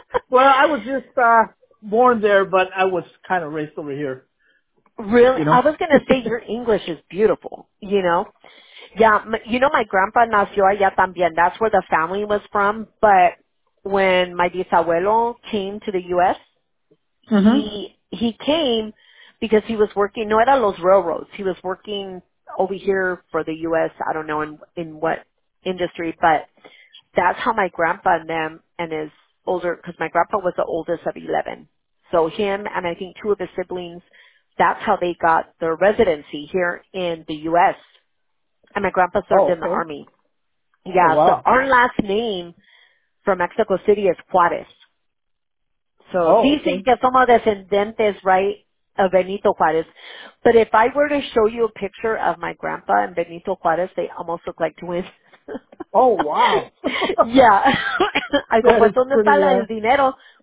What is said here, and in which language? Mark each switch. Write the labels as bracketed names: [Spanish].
[English] Well, I was just born there, but I was kind of raised over here. Really? You know? I was going to say your English is beautiful, you know? Yeah, you know, my grandpa [Spanish] nació allá también. [English] That's where the family was from. But when my [Spanish] bisabuelo [English] came to the U.S., he came because he was working, [Spanish] no era los [English] railroads. He was working over here for the U.S., I don't know in what industry, but that's how my grandpa and them and his older, because my grandpa was the oldest of 11. So him and I think two of his siblings, that's how they got their residency here in the U.S. And my grandpa served in the Army. Yeah, oh, wow. So our last name from Mexico City is Juarez. [Spanish] So dicen que somos descendientes, [English] right, of [Spanish] Benito Juarez. [English] But if I were to show you a picture of my grandpa and Benito Juarez, they almost look like twins. Oh, wow. Yeah. I go, [Spanish] pues, ¿dónde está el dinero?